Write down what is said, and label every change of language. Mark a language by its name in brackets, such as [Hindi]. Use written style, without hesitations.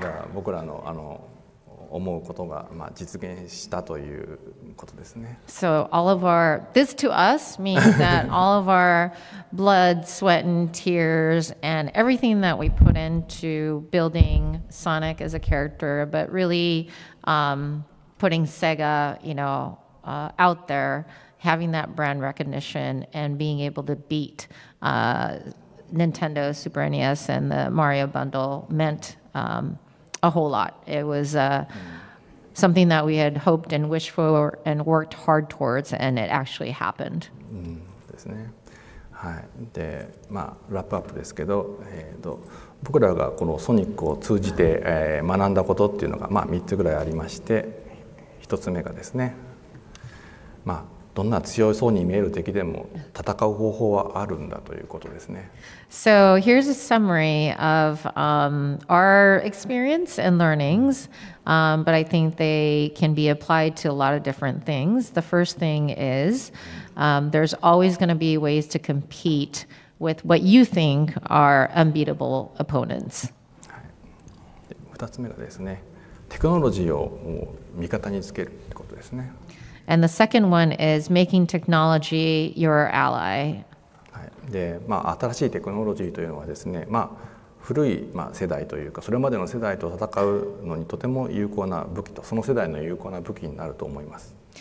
[Japanese] じゃあ僕らの思うことが、まあ、実現したということですね。 [English] So all of our this to us means that all of our blood, sweat, and tears, and everything that we put into building Sonic as a character, but really, putting Sega, you know, out there, having that brand recognition and being able to beat Nintendo Super NES and the Mario bundle meant a whole lot. It was something that we had hoped and wished for and worked hard towards, and it actually happened. [Japanese] ですね。はい。で、まあ、ラップアップですけど、僕らがこのソニックを通じて、学んだことっていうのが、まあ、3つぐらいありまして、一つ目がですね、まあ、どんな強そうに見える敵でも戦う方法はあるんだということですね。 [English] So here's a summary of our experience and learnings, but I think they can be applied to a lot of different things. The first thing is there's always going to be ways to compete with what you think are unbeatable opponents. [Japanese] 二つ目がですね、テクノロジーをもう味方につけるってことですね。 [English] And the second one is making technology your ally. [Japanese] はい。で、まあ新しいテクノロジーというのはですね、まあ古い、まあ、世代というか、それまでの世代と戦うのにとても有効な武器と、その世代の有効な武器になると思います。